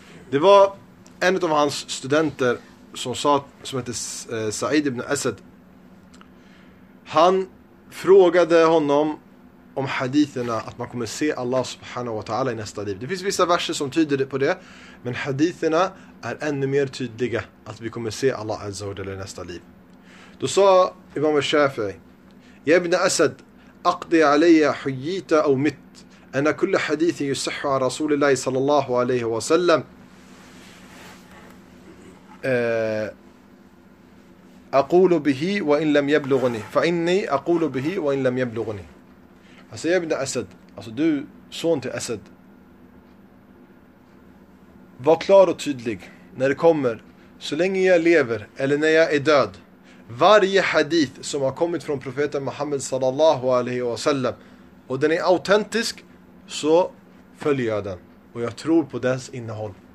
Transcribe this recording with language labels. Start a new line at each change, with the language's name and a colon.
Swedish: Det var en av hans studenter som sa, som heter Sa'id ibn Asad. Han frågade honom om haditherna, att man kommer se Allah subhanahu wa ta'ala i nästa liv. Det finns vissa verser som tyder på det, men haditherna är ännu mer tydliga att vi kommer se Allah azza wa jalla i nästa liv. Då sa Imam Shafi'i:
Arabic: يا ابن أسد أقضي علي حييت أو مت أن كل حديث يصح عن رسول الله صلى الله عليه وسلم أقول به وإن لم يبلغني فإني أقول به وإن لم يبلغني.
Swedish: Alltså,
Arabic: يا ابن أسد,
Swedish: alltså du son till Asad, var klar och tydlig när det kommer, så länge jag lever eller när jag är död. Varje hadith som har kommit från profeten Muhammad sallallahu alaihi wa sallam, och den är autentisk, så följer jag den och jag tror på dess innehåll.